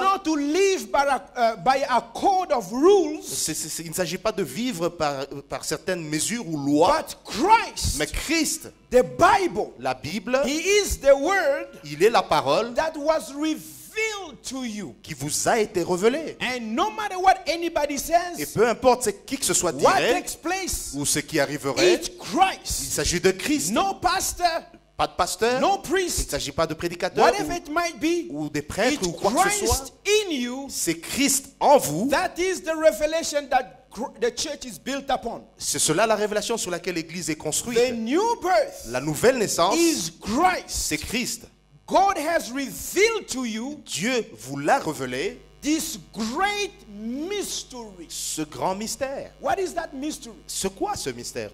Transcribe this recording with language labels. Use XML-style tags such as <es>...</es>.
<en>Not to live by a code of rules.</en> <fr>Il ne s'agit pas de vivre par certaines mesures ou lois.</fr> <en>But Christ.</en> <fr>Mais Christ.</fr> <en>The Bible.</en> <fr>La Bible.</fr> <en>He is the word.</en> <fr>Il est la parole.</fr> <en>That was revealed to you.</en> <fr>Qui vous a été révélé.</fr> <en>And no matter what anybody says.</en> <fr>Et peu importe ce qui que ce soit</fr> <en>what</en> <fr>dirait.</fr> <en>What takes place.</en> <fr>Ou ce qui arriverait.</fr> <en>It's Christ.</en> <fr>Il s'agit de Christ.</fr> <en>No pastor.</en> <fr>Pas de pasteur.</fr> <en>No priest.</en> <fr>Il ne s'agit pas de prédicateur.</fr> <en>Whatever it might be.</en> <fr>Ou des prêtres ou quoi</fr> <en>Christ</en> <fr>que ce soit.</fr> <en>It's Christ in you.</en> <fr>C'est Christ en vous.</fr> <en>That is the revelation that the church is built upon.</en> <fr>C'est cela la révélation sur laquelle l'église est construite.</fr> <en>The new birth.</en> <fr>La nouvelle naissance.</fr> <en>Is Christ.</en> <fr>C'est Christ.</fr> <en>God has revealed to you.</en> <fr>Dieu vous l'a révélé.</fr> <en>This great mystery.</en> <fr>Ce grand mystère.</fr> <en>What is that mystery?</en> <fr>C'est quoi ce mystère?</fr>